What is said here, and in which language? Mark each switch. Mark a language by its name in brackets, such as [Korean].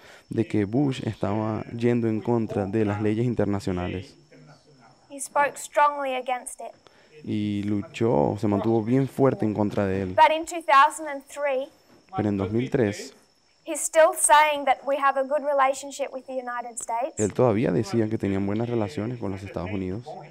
[Spanish] De que Bush estaba yendo en contra de las leyes internacionales. [English] He spoke strongly against it. [Spanish] Y luchó, se mantuvo bien fuerte en contra de él. [English] But in 2003, [Spanish] pero en 2003, [English] he's still saying that we have a good relationship with the United States. [Spanish] Él todavía decía que tenían buenas relaciones con los Estados Unidos.